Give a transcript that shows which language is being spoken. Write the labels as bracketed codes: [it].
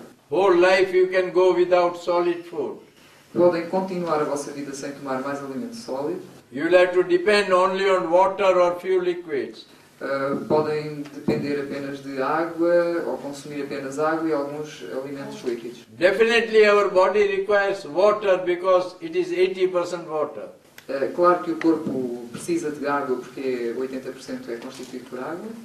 [en] Whole life you can go without solid food. [pt] Podem continuar a vossa vida sem tomar mais alimento sólido. [en] You have to depend only on water or few liquids. [pt] Podem depender apenas de água ou consumir apenas água e alguns alimentos líquidos. [en] Definitely our body requires water because it is 80% water. [pt] Claro que o corpo precisa de água porque 80% é constituído por água.